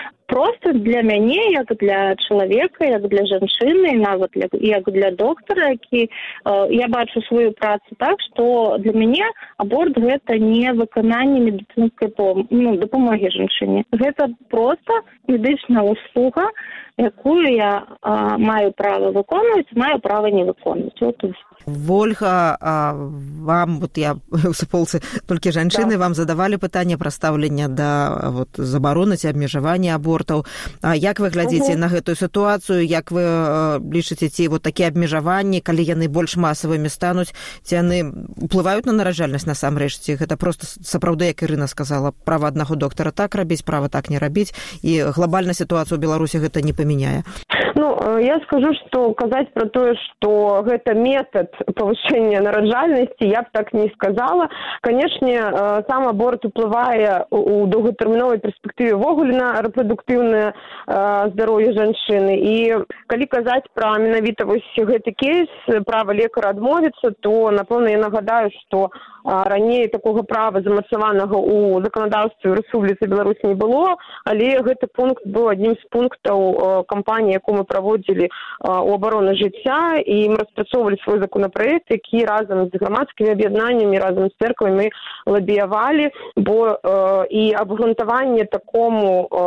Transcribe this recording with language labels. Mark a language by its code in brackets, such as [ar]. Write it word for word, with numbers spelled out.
[be] Просто для мяне, як для чалавека, як для жанчыны, нават для, як для доктара, які, э, я бачу сваю працу так, што для мяне аборт гэта не выкананне медыцынскай пом... ну, дапамогі жанчыне. Гэта проста медычная услуга, якую я а, маю право выконывать, маю право не выконывать. [ru] Вот и все. [be] Вольга, а, вам, вот я усыпался, толькі жанчыны да. вам задавалі пытанне пра стаўленне да вот, забароны ці абмежавання абортаў. А як вы глядзіце угу. на гэтую сітуацыю, як вы а, лічыце, ці вот такія абмежаванні, калі яны больш масавымі стануць, ці яны уплываюць на нараджальнасць насамрэч, ці гэта проста сапраўды, як Ірына сказала, права аднаго доктара так рабіць, права так не рабіць, і глобальна сітуацыю ў Беларусі гэта не памяняе. Ну, я скажу, что казаць про то, что гэта метад павышэння нараджальнасці, я б так не сказала. Канешне, сам аборт уплывае у доўгатэрміновай перспектыве ўвогуле на рэпрадуктыўнае здароўе жанчыны. І калі казаць пра менавіта вось гэты кейс, права лекара адмовіцца, то, напэўна, я нагадаю, што раней такога права замацаванага ў заканадаўстве Рэспубліцы Беларусь не было, але гэты пункт быў адным з пунктаў кампаніі, якую мы праводзілі у абароны жыцця, і мы распрацоўвалі свой законапраект, які разам з грамадскімі аб'яднаннямі, разам з церквамі лабіявалі, бо і абгрунтаванне такому